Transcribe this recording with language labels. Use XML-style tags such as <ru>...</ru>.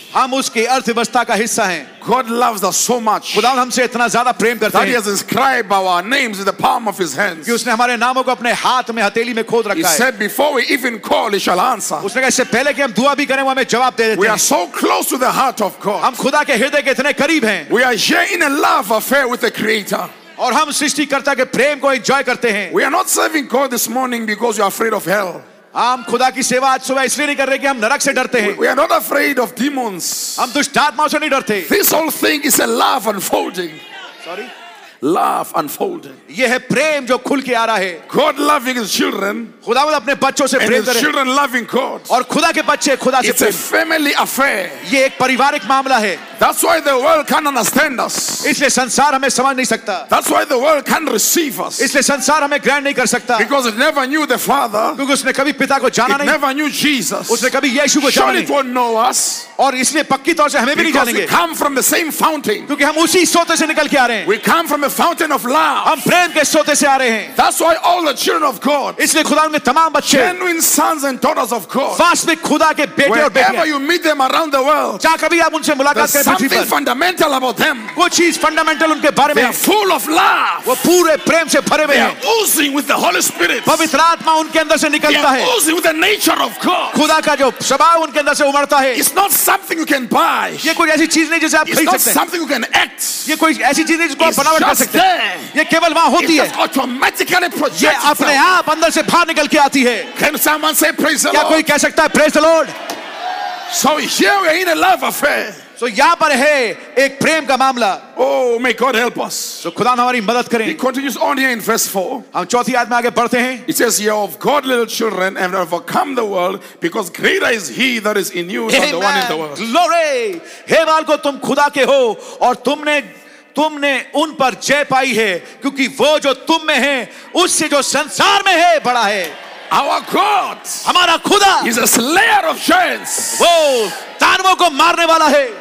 <hi>हम उसकी अर्थव्यवस्था का हिस्सा हैं.</hi> <en>God loves us so much.</en> <hi>खुदावन हमसे इतना ज्यादा प्रेम करते हैं.</hi> <en>That he has inscribed our names in the palm of his hands.</en> <hi>कि उसने हमारे नामों को अपने हाथ में हथेली में खोद रखा है.</hi> <en>He said before we even call he shall answer.</en> <hi>उसने कहा इससे पहले कि हम दुआ भी करें वो हमें जवाब दे देते हैं.</hi> <en>We are so close to the heart of God.</en> <hi>हम खुदा के हृदय के इतने करीब हैं.</hi> <en>We are here in a love affair with the creator.</en> <hi>और हम सृष्टिकर्ता के प्रेम को एंजॉय करते हैं.</hi> <en>We are not serving God this morning because you are afraid of hell.</en> <hi>हम खुदा की सेवा आज सुबह इसलिए नहीं कर रहे कि हम नरक से डरते हैं.</hi> <en>We are not afraid of demons.</en> <hi>हम दुष्टात्माओं से नहीं डरते.</hi> <en>This whole thing is a love unfolding. Sorry? Love unfolding.</en> <hi>ये है प्रेम जो खुल के आ रहा है.</hi> <en>God loving his children.</en> <hi>खुदा वो अपने बच्चों से प्रेम करे.</hi> <en>And children loving God.</en> <hi>और खुदा के बच्चे खुदा से प्रेम.</hi> <en>It's a family affair.</en> <hi>ये एक पारिवारिक मामला है.</hi> <en>That's why the world can't understand us.</en> <hi>इसलिए संसार हमें समझ नहीं सकता.</hi> <en>That's why the world can't receive us.</en> <hi>इसलिए संसार हमें ग्रहण नहीं कर सकता.</hi> <en>Because it never knew the Father.</en> <hi>क्योंकि उसने कभी पिता को जाना नहीं.</hi> <en>It never knew Jesus.</en> <hi>उसने कभी यीशु को जाना नहीं.</hi> <en>Surely it won't know us.</en> <hi>और इसलिए पक्की तौर से हमें भी नहीं जानेंगे.</hi> <en>Because we come from the same fountain.</en> <hi>क्योंकि हम उसी स्रोत से निकल के आ रहे हैं.</hi> <en>We come from the fountain of love.</en> <hi>हम प्रेम के स्रोत से आ रहे हैं.</hi> <en>That's why all the children of God.</en> <hi>इसलिए खुदा के तमाम बच्चे.</hi> <en>Genuine sons and daughters of God.</en> <hi>वास्तविक खुदा के बेटे और बेटियां.</hi> <en>Wherever you meet them around the world.</en> <hi>जहां कभी आप उनसे मुलाकात करें.</hi> <en>Something fundamental about them.</en> <hi>कुछ चीज फंडामेंटल उनके बारे में.</hi> <en>They are full of love.</en> <hi>वो पूरे प्रेम से भरे हुए हैं.</hi> <en>Oozing with the Holy Spirit.</en> <hi>पवित्र आत्मा उनके अंदर से निकलता है.</hi> <en>Oozing with the nature of God.</en> <hi>खुदा का जो स्वभाव उनके अंदर से उमड़ता है.</hi> <en>It's not something you can buy.</en> <hi>ये कोई ऐसी चीज नहीं जिसे आप खरीद सकते हैं.</hi> <en>It's not something you can act.</en> <hi>ये कोई ऐसी चीज नहीं जिसको आप बनावट कर सकते हैं. ये केवल वहां होती है.</hi> <en>It's just automatically projected.</en> <hi>ये अपने आप अंदर से बाहर निकल के आती है.</hi> <en>Can someone say praise the Lord?</en> <hi>क्या कोई कह सकता है</hi> <en>praise the Lord? So here we are in a love affair.</en> <hi>So यहाँ पर है एक प्रेम का मामला.</hi> <en>Oh, may God help us.</en> <hi>So खुदा हमारी मदद करें.</hi> <en>He continues on here in verse 4.</en> <hi>हम चौथी आयत में आगे बढ़ते हैं.</hi> <en>It says, "Ye of God, little children, and have overcome the world, because greater is He that is in you than the one in the world." Glory.</en> <hi>हे मालको तुम खुदा के हो और तुमने उन पर जय पाई है क्योंकि वो जो तुम में है उससे जो संसार में है बड़ा है.</hi> <en>Our God,</en> <hi>हमारा खुदा,</hi> <en>is a slayer of giants.</en> <hi>वो तानवों को मारने वाला है.</hi>